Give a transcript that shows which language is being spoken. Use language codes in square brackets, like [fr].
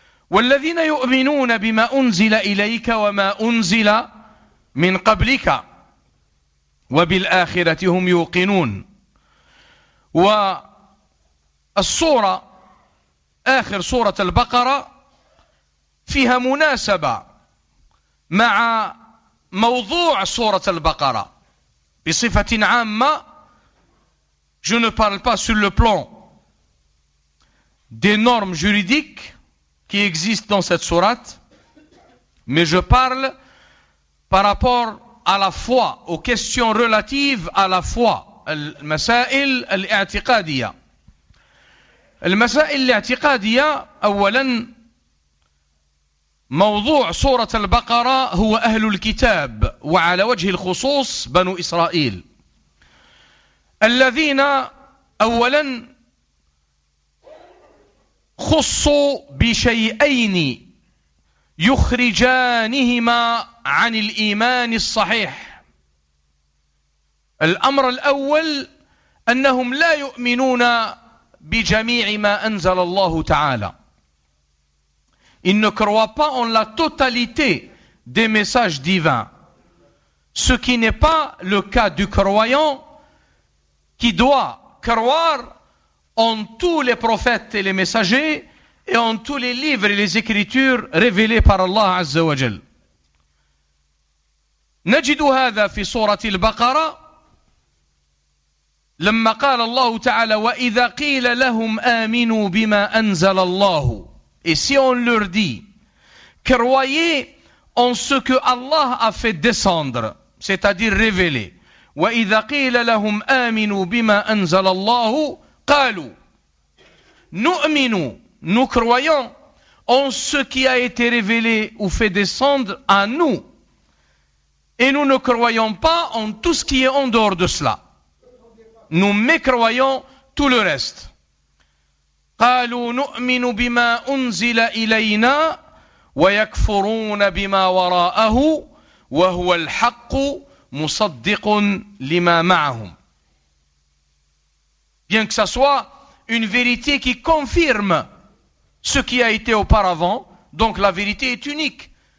[ar] والذين يؤمنون بما أنزل إليك وما أنزل من قبلك وبالآخرة هم يوقنون. و السورة آخر سورة البقرة فيها مناسبة مع موضوع سورة البقرة بصفة عامة. [fr] Je ne parle pas sur le plan des normes juridiques qui existent dans cette sourate, mais je parle par rapport à la foi, aux questions relatives à la foi, [ar] المسائل الاعتقادية. المسائل الاعتقادية، أولا موضوع سورة البقرة هو أهل الكتاب، وعلى وجه الخصوص بنو إسرائيل، الذين أولا خصوا بشيئين يخرجانهما عن الإيمان الصحيح، الأمر الأول أنهم لا يؤمنون بجميع ما أنزل الله تعالى. [fr] Ils ne croient pas en la totalité des messages divins. Ce qui n'est pas le cas du croyant qui doit croire en tous les prophètes et les messagers et en tous les livres et les écritures révélés par Allah Azza wa Jal. نجد هذا في سورة البقرة لما قال الله تعالى [ar] وإذا قيل لهم آمنوا بما أنزل الله [fr] et si on leur dit croyez en ce que Allah a fait descendre, c'est-à-dire révélé, [ar] وإذا قيل لهم آمنوا بما أنزل الله قالوا نؤمن, [fr] nous croyons en ce qui a été révélé ou fait descendre à nous. Et nous ne croyons pas en tout ce qui est en dehors de cela. Nous mécroyons tout le reste. [ar] قالوا نؤمن بما أنزل إلينا ويكفرون بما وراءه وهو الحق مصدق لما معهم. [fr] Bien que ce soit une vérité qui confirme ce qui a été auparavant, donc la vérité est unique.